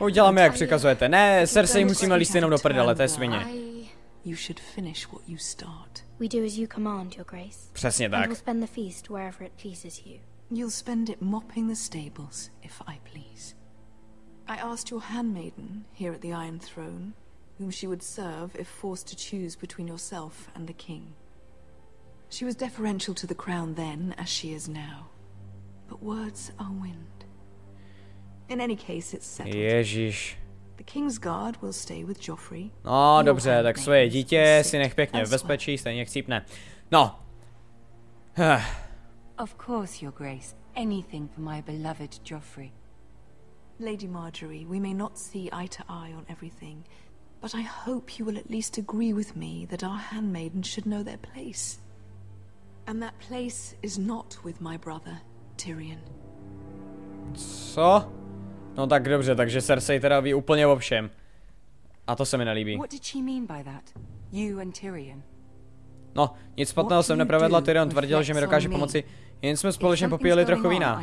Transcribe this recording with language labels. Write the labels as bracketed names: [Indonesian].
[Czech] uděláme, jak přikazujete. Ne, Cersei musíme líst jenom do prdele, té svině. [English] You should finish what you start. We do as you command, your grace. [Czech] Přesně tak. [English] And we'll spend the feast wherever it pleases you. You'll spend it mopping the stables, if I please. I asked your handmaiden here at the Iron Throne whom she would serve if forced to choose between yourself and the king. She was deferential to the crown then as she is now. But words are wind. In any case, it's settled. [Czech] Ježíš. [English] The king's guard will stay with Joffrey. [Czech] No, dobře, tak svoje dítě si nech pěkně v bezpečí, stejně chcípne. No. [English] Of course, your grace. Anything for my beloved Joffrey. Lady Marjorie, we may not see eye to eye on everything, but I hope you will at least agree with me that our handmaiden should know their place. And that place is not with my brother, Tyrion. [Czech] Co? No tak dobře, takže Cersei teda ví úplně o všem. A to se mi nelíbí. [English] What did she mean by that? You and Tyrion? [Czech] No, nic špatného jsem neprovedla, Tyrion tvrdil, že mi dokáže pomoci. Jen jsme společně popíjeli trochu vína.